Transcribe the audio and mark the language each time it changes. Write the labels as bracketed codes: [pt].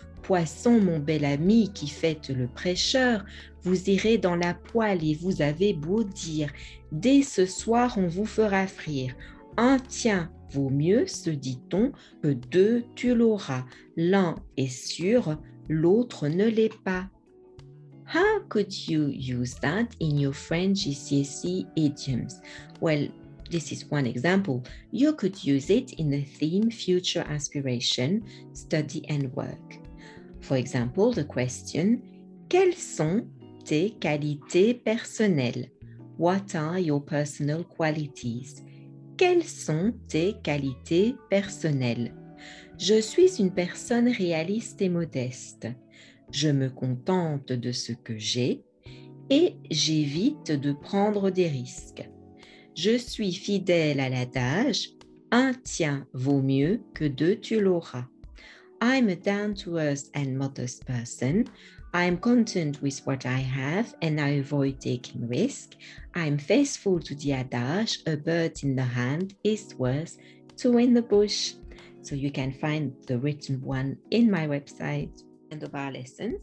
[fr] Poisson, mon bel ami, qui faites le prêcheur, vous irez dans la poêle et vous avez beau dire, dès ce soir on vous fera frire. Un tien vaut mieux, se dit-on, que deux tu l'auras. L'un est sûr, l'autre ne l'est pas. [en] How could you use that in your French GCSE idioms? Well, this is one example. You could use it in the theme Future Aspiration, Study and Work. For example, the question, [fr] quelles sont tes qualités personnelles? [en] What are your personal qualities? [fr] Quelles sont tes qualités personnelles? Je suis une personne réaliste et modeste. Je me contente de ce que j'ai et j'évite de prendre des risques. Je suis fidèle à l'adage, un tien vaut mieux que deux tu l'auras. [en] I'm a down-to-earth and modest person. I'm content with what I have and I avoid taking risks. I'm faithful to the adage, a bird in the hand is worth two in the bush. So you can find the written one in my website. End of our lesson.